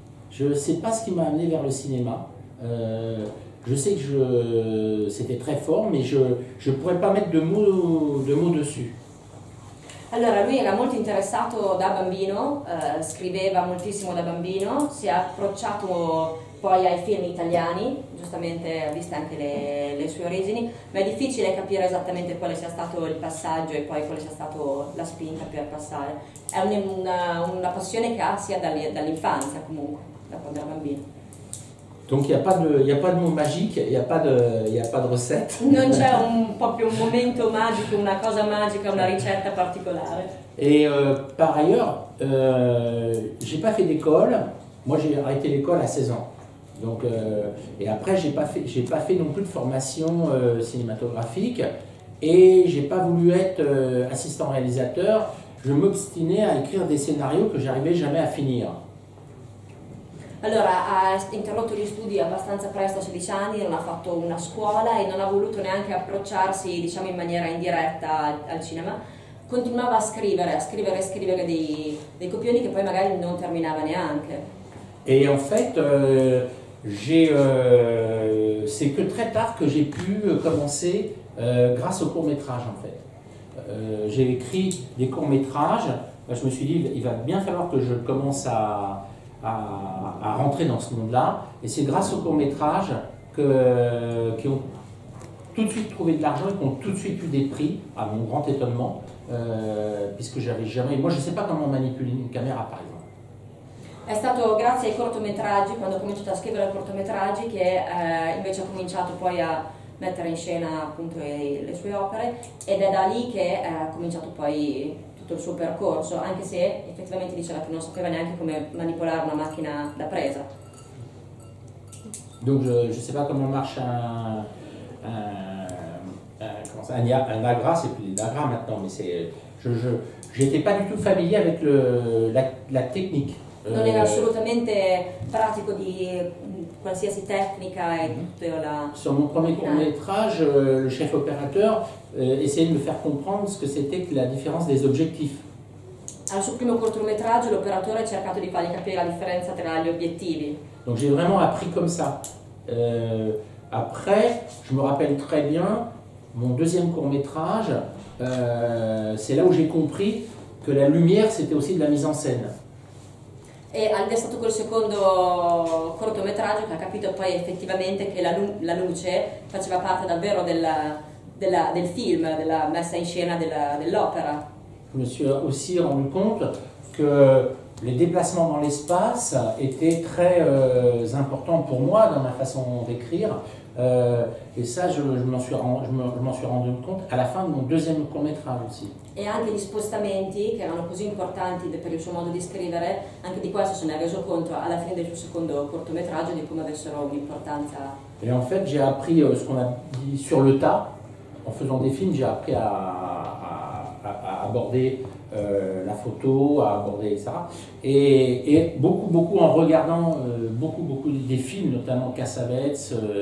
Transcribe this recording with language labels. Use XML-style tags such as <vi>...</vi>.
<fr>Je ne sais pas ce qui m'a amené vers le cinéma. Je sais que c'était très fort, mais je ne pourrais pas mettre de mots dessus.</fr> <it>Allora, lui era molto interessato da bambino, scriveva moltissimo da bambino, si è approcciato poi ai film italiani, giustamente ha visto anche le sue origini, ma è difficile capire esattamente quale sia stato il passaggio e poi quale sia stata la spinta per passare. È una passione che ha sia dall'infanzia comunque, da quando era bambino.</it> <fr>Donc il n'y a pas de mot magique, il n'y a pas de recette.</fr> <it>Non c'è un proprio un momento magico, una cosa magica, una ricetta particolare.</it> <fr>Et par ailleurs, je n'ai pas fait d'école. Moi j'ai arrêté l'école à 16 ans. Donc, et après, j'ai pas fait non plus de formation cinématographique. Et je n'ai pas voulu être assistant réalisateur. Je m'obstinais à écrire des scénarios que je n'arrivais jamais à finir.</fr> <it>Allora, ha interrotto gli studi abbastanza presto, a 16 anni, non ha fatto una scuola e non ha voluto neanche approcciarsi, diciamo, in maniera indiretta al cinema. Continuava a scrivere dei copioni che poi magari non terminava neanche.</it> <fr>E en fait, c'est que très tard que j'ai pu commencer grâce aux courts-métrages, en fait. J'ai écrit des courts-métrages, je me suis dit, il va bien falloir que je commence à rentrer dans ce monde-là, et c'est grâce aux courts-métrages qui ont tout de suite trouvé de l'argent et qui ont tout de suite eu des prix, à mon grand étonnement, puisque j'avais jamais... Moi, je ne sais pas comment manipuler une caméra, par exemple.</fr> <it>È stato grazie ai cortometraggi, quando ho cominciato a scrivere i cortometraggi, che invece ho cominciato poi a mettere in scena appunto le sue opere, ed è da lì che ha cominciato poi il suo percorso, anche se effettivamente diceva che non sapeva neanche come manipolare una macchina da presa.</it> <fr>Donc je sais pas comment marche un agra, c'est plus des agra maintenant, mais c'est je j'étais pas du tout familier avec la technique.</fr> <it>Non era assolutamente pratico di qualsiasi tecnica e tutta la...</it> <fr>Sur mon premier court-métrage, le chef opérateur essayait de me faire comprendre ce que c'était que la différence des objectifs.</fr> <it>Al suo primo cortometraggio l'operatore ha cercato di fargli capire la differenza tra gli obiettivi.</it> <fr>Donc j'ai vraiment appris comme ça. Après, je me rappelle très bien, mon deuxième court-métrage, c'est là où j'ai compris que la lumière c'était aussi de la mise en scène.</fr> <it>E è stato quel secondo cortometraggio che ha capito poi effettivamente che la luce faceva parte davvero del film, della messa in scena dell'opera.</it> <fr>Je me suis aussi rendu compte que les déplacements dans l'espace étaient très importants pour moi dans ma façon d'écrire. Et ça, je m'en suis rendu compte à la fin de mon deuxième court-métrage aussi.</fr> <it>Et anche gli spostamenti che erano così importanti per il suo modo di scrivere, anche di questo se ne è reso conto alla fine del suo secondo cortometraggio di come avessero un'importanza.</it> <fr>Et en fait, j'ai appris ce qu'on a dit sur le tas en faisant des films. J'ai appris à aborder la photo, à aborder ça, et beaucoup beaucoup en regardant beaucoup des films, notamment Cassavetes.</fr>